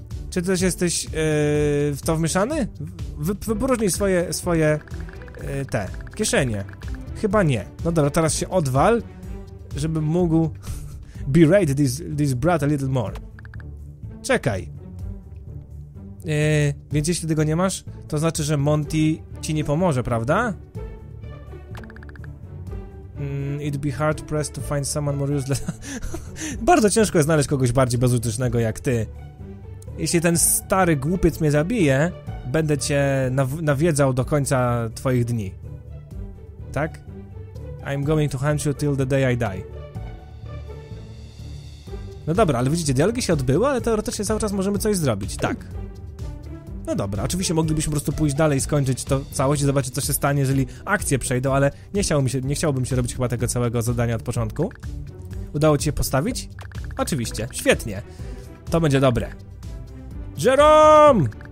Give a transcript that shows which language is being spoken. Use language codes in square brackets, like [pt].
[pl] Czy ty też jesteś w to wmieszany? Wypróżnij swoje te kieszenie. Chyba nie. No dobra, teraz się odwal, żebym mógł [en] berate this brat a little more. [pl] Czekaj. Więc jeśli tego nie masz, to znaczy, że Monty ci nie pomoże, prawda? [en] It'd be hard pressed to find someone more useless. [pl] Bardzo ciężko jest znaleźć kogoś bardziej bezużytecznego jak ty. Jeśli ten stary głupiec mnie zabije, będę cię nawiedzał do końca twoich dni. tak? [en] I'm going to hunt you till the day I die. [pl] No dobra, ale widzicie, dialogi się odbyły, ale teoretycznie cały czas możemy coś zrobić, tak. No dobra, oczywiście moglibyśmy po prostu pójść dalej, skończyć to całość i zobaczyć, co się stanie, jeżeli akcje przejdą, ale nie chciałbym się robić chyba tego całego zadania od początku. Udało ci się postawić? Oczywiście, świetnie. To będzie dobre. Jerome!